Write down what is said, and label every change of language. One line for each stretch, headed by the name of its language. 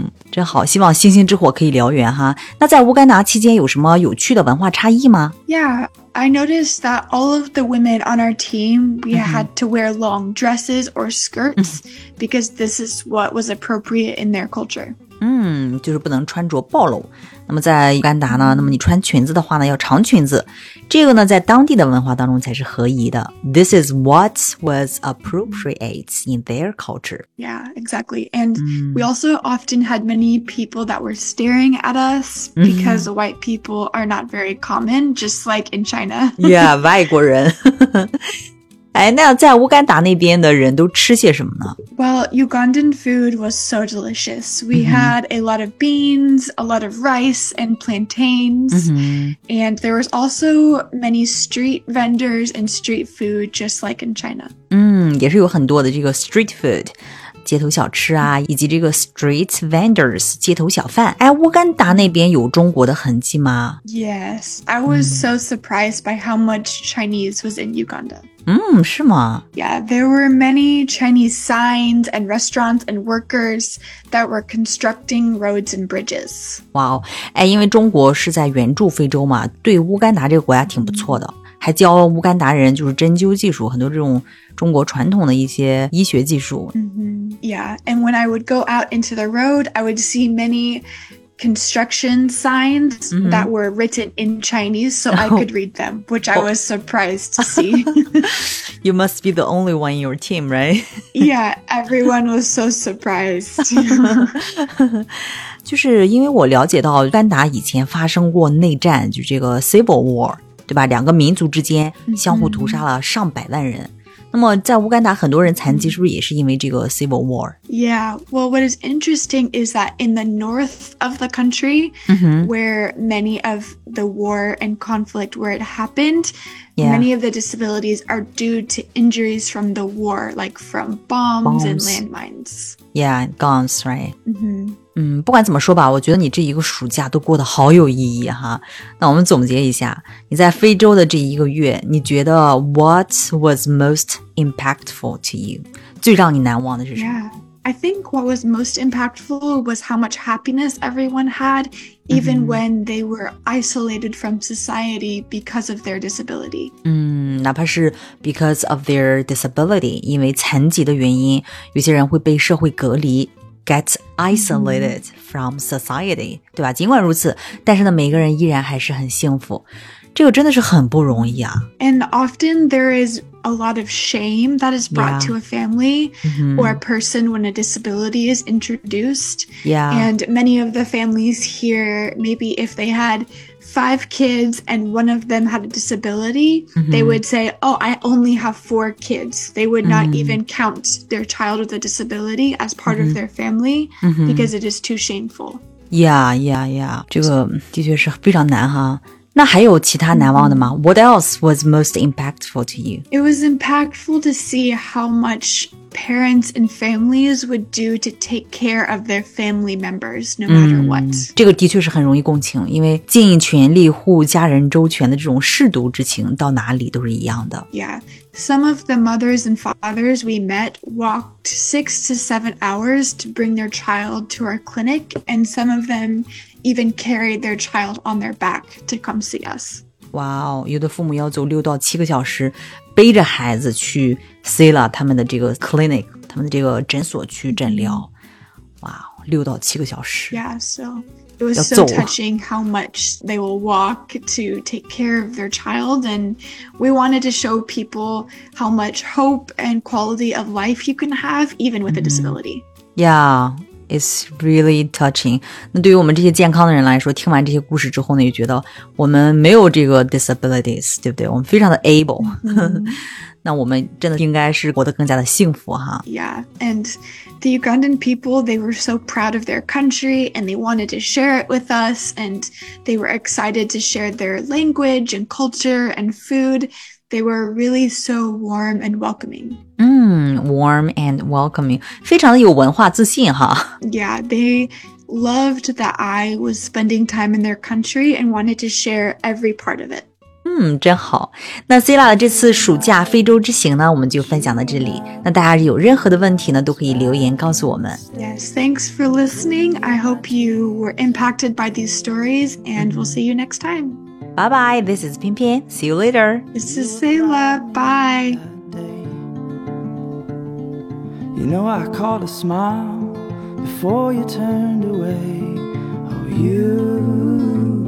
Chinese: 真好，希望星星之火可以燎原哈。那在乌干达期间有什么有趣的文化差异吗？
English: Yeah, I noticed that all of the women on our team, we mm-hmm. had to wear long dresses or skirts because this is what was appropriate in their culture.
Chinese: 就是不能穿着暴露。那么在乌干达呢，那么你穿裙子的话呢，要长裙子。这个呢，在当地的文化当中才是合宜的。
English: This is what was appropriate in their culture. Yeah, exactly. And we also often had many people that were staring at us because white people are not very common, just like in China. Yeah,
Chinese: 外国人。哎，那在乌干达那边的人都吃些什么呢
English: ？Well, Ugandan food was so delicious. We had a lot of beans, a lot of rice and plantains, and there was also many street vendors and street food, just like in China.
Chinese: 也是有很多的这个
English: street food,
Chinese: 街头小吃啊，以及这个
English: street vendors,
Chinese: 街头小贩。哎，乌干达那边有中国的痕迹吗
English: ？Yes, I was so surprised by how much Chinese was in Uganda.
Chinese: 是吗
English: Yeah, there were many Chinese signs and restaurants and workers that were constructing roads and bridges. Wow,
Chinese: 哎，因为中国是在援助非洲嘛，对乌干达这个国家挺不错的，还教乌干达人就是针灸技术，很多这种中国传统的一些医学技术。
English: Yeah, and when I would go out into the road, I would see many... construction signs that were written in Chinese so I could read them, which I was surprised to see. You must be the only one in your team, right? Yeah, everyone was so surprised.
Chinese: 就是因为我了解到乌干达以前发生过内战，就这个
English: Civil War,
Chinese: 对吧？两个民族之间相互屠杀了上百万人。那么在乌干达很多人残疾是不是也是因为这个
English: civil war? Yeah, well, what is interesting is that in the north of the country, where many of the war and conflict where it happened, many of the disabilities are due to injuries from the war, like from bombs and landmines. Yeah, guns, right? Mm-hmm.
Chinese: 不管怎么说吧，我觉得你这一个暑假都过得好有意义哈。那我们总结一下，你在非洲的这一个月，你觉得
English: what was most impactful to you?
Chinese: 最让你难忘的是什么？
English: Yeah, I think what was most impactful was how much happiness everyone had, even when they were isolated from society because of their disability.
Chinese: 哪怕是
English: because of their disability,
Chinese: 因为残疾的原因，有些人会被社会隔离。
English: Get isolated from society,
Chinese: 对吧？尽管如此，但是呢，每个人依然还是很幸福。这个真的是很不容易啊。
English: And often there is a lot of shame that is brought to a family or a person when a disability is introduced. Yeah. And many of the families here, maybe if they had five kids and one of them had a disability, they would say, oh, I only have four kids. They would not even count their child with a disability as part of their family because it is too shameful. Yeah.
Chinese: 这个的确是非常难哈。那还有其他难忘的吗
English: What else was most impactful to you? It was impactful to see how much parents and families would do to take care of their family members, no matter what.
Chinese: 这个的确是很容易共情，因为尽全力护家人周全的这种舐犊之情，到哪里都是一样的。
English: Yeah, some of the mothers and fathers we met walked 6 to 7 hours to bring their child to our clinic, and some of them... even carried their child on their back to come see us. Wow,
Chinese: 有的父母要走6到7个小时背着孩子去 Sila 他们的这个 clinic, 他们的这个诊所去诊疗。
English: Wow,
Chinese: 6到7个小时。
English: Yeah, so it was so touching how much they will walk to take care of their child. And we wanted to show people how much hope and quality of life you can have even with a disability. Yeah. It's really touching.
Chinese: 那对于我们这些健康的人来说，听完这些故事之后呢，也觉得我们没有这个 disabilities, 对不对？我们非常的 able. 那我们真的应该是活得更加的幸福哈。
English: Yeah, and the Ugandan people, they were so proud of their country and they wanted to share it with us and they were excited to share their language and culture and food. They were really so warm and welcoming. Warm and welcoming.
Chinese: 非常的有文化自信哈。
English: Yeah, they loved that I was spending time in their country and wanted to share every part of it.
Chinese: 真好。那 Sila 的这次暑假非洲之行呢，我们就分享到这里。那大家有任何的问题呢，都可以留言告诉我们。
English: Yes, thanks for listening. I hope you were impacted by these stories and we'll see you next time. Bye-bye, this is Pian Pian. See you later. This is Sayla. Bye. You know I caught a smile before you turned away. Oh, you